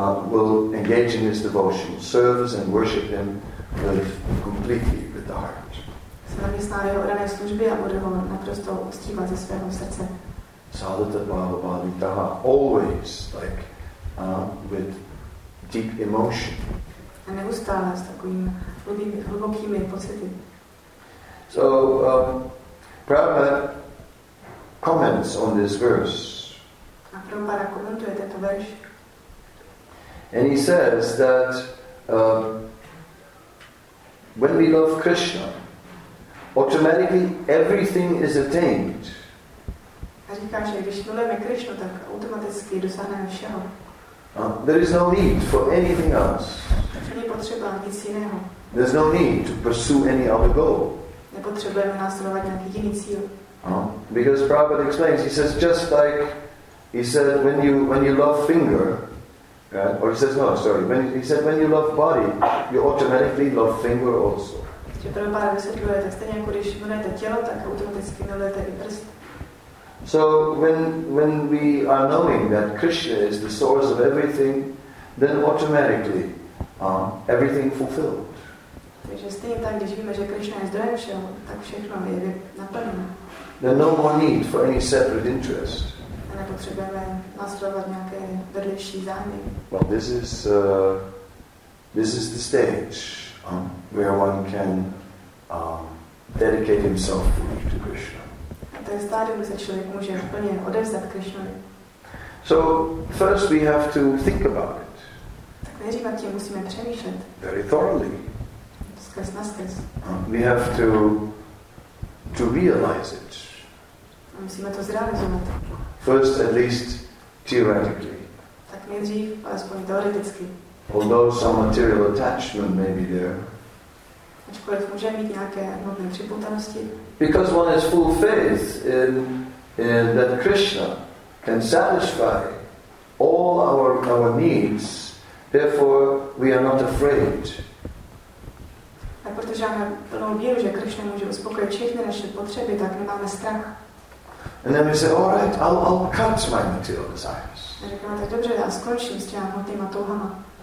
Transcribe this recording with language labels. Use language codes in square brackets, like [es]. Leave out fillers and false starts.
[en] Will engage in his devotional service and worship him with completely with the heart. [cs] Zaměstná jeho oddané služby a bude ho naprosto uctívat ze svého srdce. [sa] Sadhata bhava bhavitaha, [en] always like with deep emotion. [cs] A neustále s takovými hlubokými pocity. [en] So, Prabhupada comments on this verse. [cs] A Prabhupada komentuje tento verš. [en] And he says that when we love Krishna, automatically everything is attained. [cs] A říká, že když milujeme Krishnu, tak automaticky dosáhneme všeho. [en] There is no need for anything else. [cs] Nepotřeba nic jiného. [en] There's no need to pursue any other goal. [cs] Nepotřebujeme následovat nějaký jiný cíl. [en] Because Prabhupada explains, he says, just like he said, when you love finger, right? Or he says no, sorry. When you love body, you automatically love finger also. [cs] Že Prabhupada vysvětluje, tak stejně jako když milujete tělo, tak automaticky milujete i prst. [en] So when we are knowing that Krishna is the source of everything, then automatically everything fulfilled. [cs] Takže stejně tak, když víme, že Krishna je zdrojem všeho, tak všechno je naplněno. [en] There's no more need for any separate interest. [cs] A nepotřebujeme nastrojovat nějaké vedlejší zájmy. [en] Well, this is the stage where one can dedicate himself fully to Krishna. [cs] Ten stádium, kde se člověk může úplně odevzdat Krishnovi. [en] So first we have to think about it. [cs] Tak nejdřív nad tím musíme přemýšlet. [en] Very thoroughly. [cs] Skrz na skrz. [en] We have to realize it. [cs] Musíme to zrealizovat. [en] First at least theoretically. [cs] Tak nejdřív alespoň teoreticky. [en] Although some material attachment may be there. [cs] Ačkoliv může mít nějaké hmotné připoutanosti. [en] Because one has full faith in that Krishna can satisfy all our needs, therefore we are not afraid. [cs] A protože máme plnou víru, že Krishna může uspokojit všechny naše potřeby, tak nemáme strach. [en] And then we say, all right, I'll cut my material desires. [cs] A říkáme, tak dobře, já skončím s těma hmotnýma touhama.